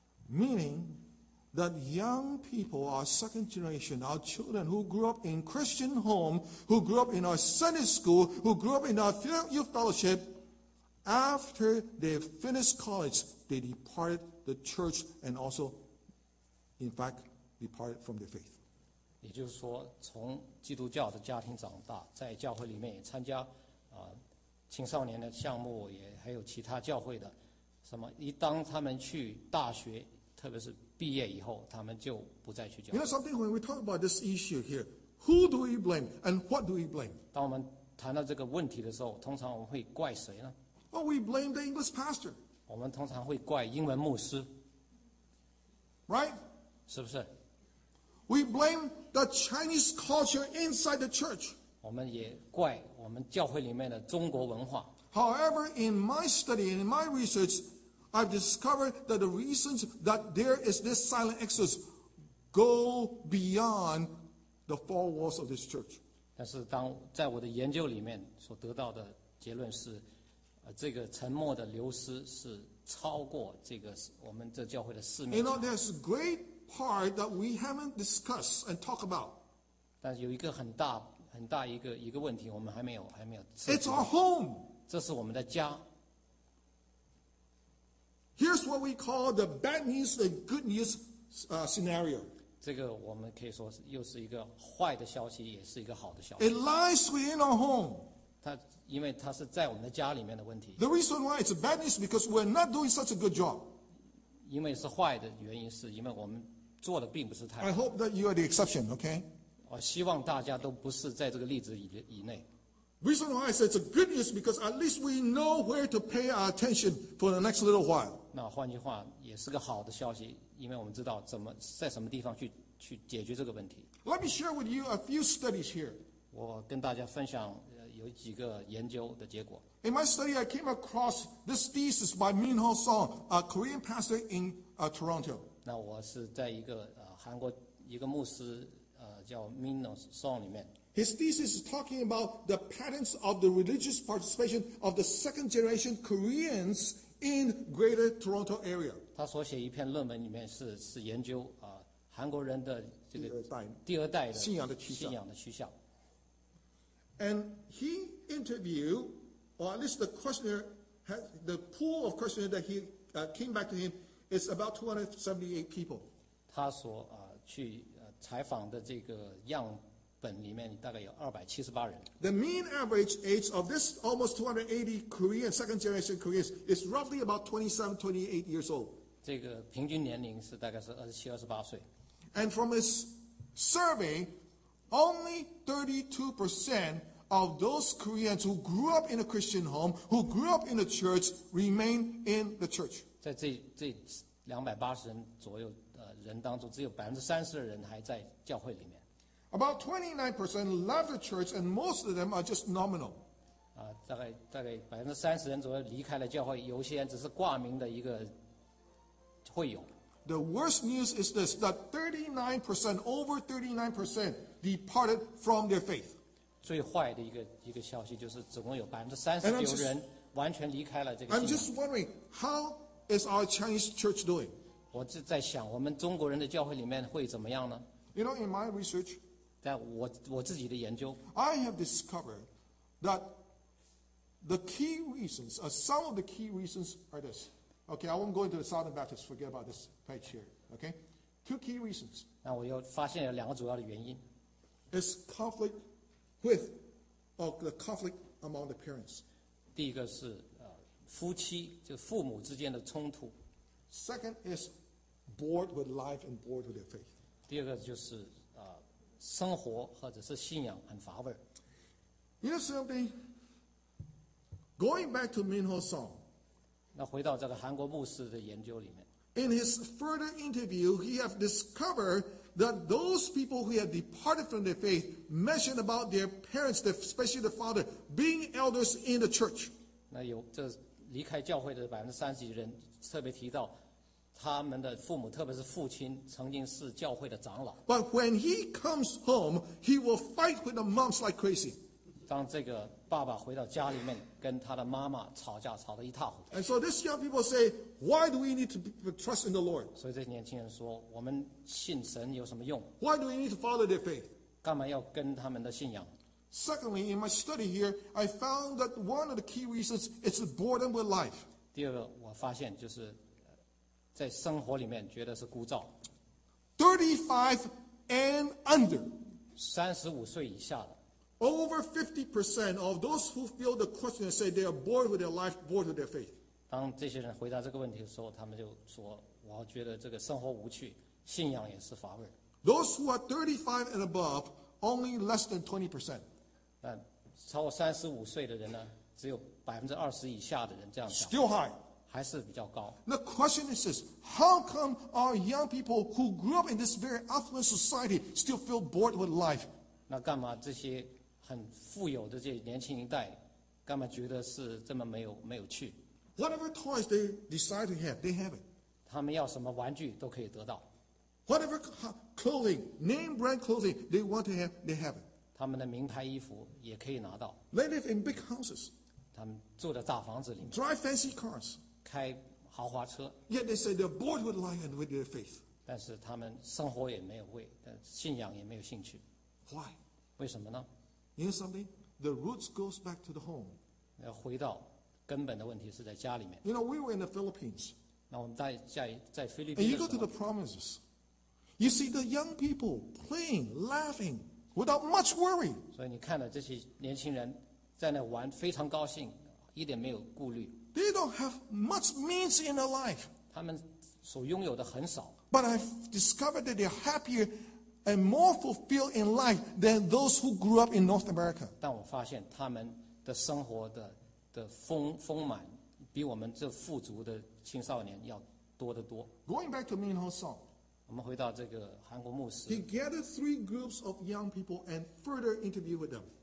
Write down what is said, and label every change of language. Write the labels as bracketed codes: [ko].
[en] meaning that young people our second generation our children who grew up in Christian home who grew up in our Sunday school who grew up in our youth fellowship after they finished college they departed the church and also in fact departed from their faith [zh] 也就是说从基督教的家庭长大在教会里面也参加青少年的项目也还有其他教会的什么一当他们去大学特别是毕业以后他们就不再去教会 [en] You know something when we talk about this issue here who do we blame and what do we blame [zh] 当我们谈到这个问题的时候通常我们会怪谁呢 [en] Oh, we blame the English pastor [zh] 我们通常会怪英文牧师 [en] Right [zh] 是不是 [en] We blame the Chinese culture inside the church. [zh] 我们也怪我们教会里面的中国文化。 [en] However, in my study and in my research, I've discovered that the reasons that there is this silent exodus go beyond the four walls of this church. [zh] 但是当在我的研究里面所得到的结论是，这个沉默的流失是超过这个我们这教会的四面。 [en] You know, there's great. Part that we haven't discussed and talked about. [zh] 但是有一个很大很大一个问题，我们还没有。 [en] It's our home. [zh] 这是我们的家。 [en] Here's what we call the bad news, the good news, scenario. [zh] 这个我们可以说是又是一个坏的消息，也是一个好的消息。 [en] It lies within our home. [zh] 它因为它是在我们的家里面的问题。 [en] The reason why it's a bad news is because we're not doing such a good job. [zh] 因为是坏的原因是因为我们做的并不是太好。 [en] I hope that you are the exception, okay? [zh] 我希望大家都不是在这个例子以内。 [en] Reason why I say it's a good news because at least we know where to pay our attention for the next little while. [zh] 那换句话也是个好的消息，因为我们知道怎么在什么地方去解决这个问题。 [en] Let me share with you a few studies here. [zh] 我跟大家分享有几个研究的结果。 [en] In my study, I came across this thesis by Min-ho Song, a Korean pastor in Toronto. [zh] 那我是在一个韩国一个牧师叫 Min-ho Song 里面。 [en] His thesis is talking about the patterns of the religious participation of the second generation Koreans in Greater Toronto area. [zh] 他所写一篇论文里面是研究韩国人的这个第二代的信仰的趋向。 [en] And he interviewed. Or at least the questionnaire, has, the pool of questionnaire that he came back to him is about 278 people. [zh] 他所去采访的这个样本里面大概有278人。 [en] The mean average age of this almost 280 Korean second generation Koreans is roughly about 27, 28 years old. [zh] 这个平均年龄是大概是27、28岁。 [en] And from his survey, only 32%of those Koreans who grew up in a Christian home, who grew up in a church, remain in the church. [zh] 在这280人左右人当中，只有30%的人还在教会里面。 [en] About 29% left the church, and most of them are just nominal. [zh] 大概30%人左右离开了教会，有些人只是挂名的一个会友。 [en] The worst news is this: that 39%, over 39%, departed from their faith. [zh] 最坏的一个消息就是，总共有39%人完全离开了这个信仰。 [en] I'm just wondering how is our Chinese church doing? [zh] 我就在想，我们中国人的教会里面会怎么样呢 [en] ？You know, in my research, [zh] 在我自己的研究 [en] ，I have discovered that the key reasons, some of the key reasons are this. Okay, I won't go into the Southern Baptist. Forget about this page here. Okay, two key reasons. [zh] 那我又发现有两个主要的原因。 [en] It's conflict. With of the conflict among the parents. [zh] 第一个是夫妻就父母之间的冲突。 [en] Second is bored with life and bored with their faith. [zh] 第二个就是生活或者是信仰很乏味。 [en] You know something? Going back to Min Ho Song, [zh] 那回到这个韩国牧师的研究里面。 [en] In his further interview, he have discovered that those people who had departed from their faith mentioned about their parents, especially the father, being elders in the church. [zh] 那有这离开教会的30%的人特别提到他们的父母，特别是父亲曾经是教会的长老。 [en] But when he comes home, he will fight with the moms like crazy. [zh] 当这个爸爸回到家里面跟他的妈妈吵架吵得一塌糊涂。 [en] And so these young people say, why do we need to trust in the Lord? [zh] 所以这些年轻人说我们信神有什么用？ [en] Why do we need to follow their faith? [zh] 干嘛要跟他们的信仰？ [en] Secondly, in my study here, I found that one of the key reasons is boredom with life. [zh] 第二个我发现就是在生活里面觉得是枯燥。 [en] 35 and under. [zh] 35岁以下的。 [en] Over 50% of those who feel the question say they are bored with their life, bored with their faith. [zh] 当这些人回答这个问题的时候，他们就说：“我觉得这个生活无趣，信仰也是乏味。” [en] Those who are 35 and above, only less than 20%. [zh] 那超过35岁的人呢，只有20%以下的人这样讲。 [en] Still high. [zh] 还是比较高。 [en] The question is this: How come our young people who grew up in this very affluent society still feel bored with life? [zh] 那干嘛这些很富有的这年轻一代，干嘛觉得是这么没有趣 [en] ？Whatever toys they decide to have, they have it. [zh] 他们要什么玩具都可以得到。 [en] Whatever clothing, name brand clothing they want to have, they have it. [zh] 他们的名牌衣服也可以拿到。 [en] They live in big houses. [zh] 他们住的大房子里面。 [en] Drive fancy cars. [zh] 开豪华车。 [en] Yet they say they're bored with life and with their faith. [zh] 但是他们生活也没有味，信仰也没有兴趣。 [en] Why? [zh] 为什么呢？ [en] You know something? The roots goes back to the home. [zh] 要回到根本的问题是在家里面。 [en] You know, we were in the Philippines. [zh] 那我们在菲律宾。 [en] And you go to the provinces. You see the young people playing, laughing, without much worry. [zh] 所以你看到这些年轻人在那玩，非常高兴，一点没有顾虑。 [en] They don't have much means in their life. [zh] 他们所拥有的很少。 [en] But I've discovered that they're happier. And more fulfilled in life than those who grew up in North America. [zh] 但我发现他们的生活的丰满，比我们这富足的青少年要多得多。 [en] Going back to Min Ho Song, [zh] 我们回到这个韩国牧师。 [en] He gathered three groups of young people and further interviewed with them.